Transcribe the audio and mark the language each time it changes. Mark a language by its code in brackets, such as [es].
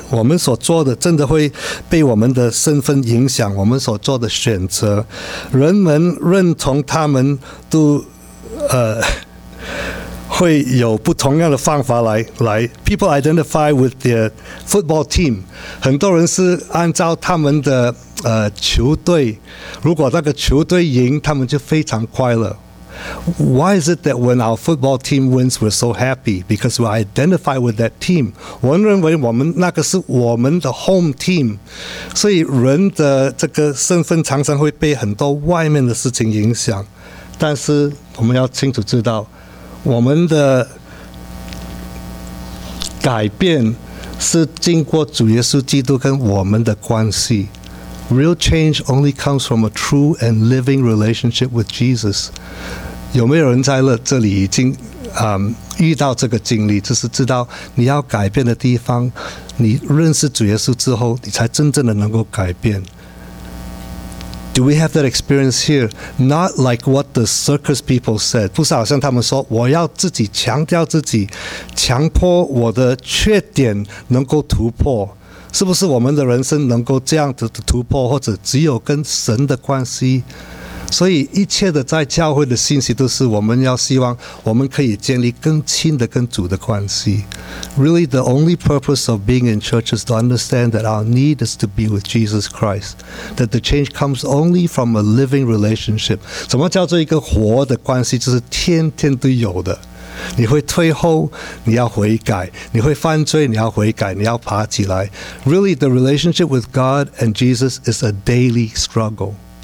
[zh] 我们所做的真的会被我们的身份影响，我们所做的选择。人们认同他们都会有不同样的方法来。 [en] People identify with their football team. [zh] 很多人是按照他们的球队，如果那个球队赢，他们就非常快乐。 [en] Why is it that when our football team wins, we're so happy? Because we identify with that team. [zh] 我认为我们那个是我们的 [en] home team. [zh] 所以人的这个身份常常会被很多外面的事情影响。但是我们要清楚知道，我们的改变是经过主耶稣基督跟我们的关系。 [en] Real change only comes from a true and living relationship with Jesus. [zh] 有没有人在这里已经遇到这个经历，就是知道你要改变的地方，你认识主耶稣之后，你才真正的能够改变。 [en] Do we have that experience here? Not like what the circus people said. [zh] 不是好像他们说我要自己强调自己，强迫我的缺点能够突破。是不是我们的人生能够这样子的突破，或者只有跟神的关系。所以一切的在教会的信息都是我们要希望我们可以建立更亲的跟主的关系。 [en] Really the only purpose of being in church is to understand that our need is to be with Jesus Christ, that the change comes only from a living relationship. [zh] 什么叫做一个活的关系？就是天天都有的。你会退后，你要悔改；你会犯罪，你要悔改；你要爬起来。 [en] Really the relationship with God and Jesus is a daily struggle.